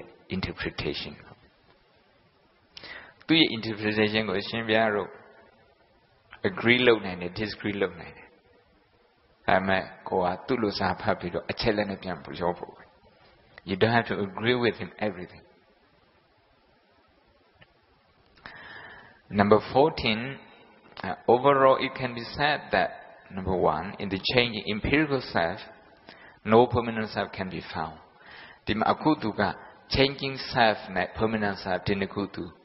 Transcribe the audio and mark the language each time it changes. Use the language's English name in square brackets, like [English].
[Burmese] သူတို့ကိုသွားပြီးတော့ခရစ်ဆိုင်လုပ်ရင်ဒီဆရာအနေနဲ့ကတော့မှားတယ်ပေါ့ဗျာခရစ်ဆိုင်မလုပ်ဘူးဆိုတော့ဘုရားဟောတာထဲမှာဒါလေးလုပ်ရင်ကောင်းတယ်လို့ခေါ်တယ်ဒါတရားတွေအကိုဟိုရှိအောင်လုပ်ပြီးနေကိုယ့်ကိုယုံကြည်အောင်လုပ်ပြီးနေအဲ့ဒီအတိုင်းဒါကြီးပဲသူတို့ကအီဂိုဆိုတဲ့စကလုံးကိုသုံးနေတယ်ဒါကတော့ [English] You don't have to agree with him everything. Number 14, overall it can be said that, number one, in the changing empirical self, no permanent self can be found. [Burmese] ဒီမှာအခုသူက [English] changing self [Burmese] နဲ့ [English] permanent self [Burmese] တင်းတစ်ခုသူ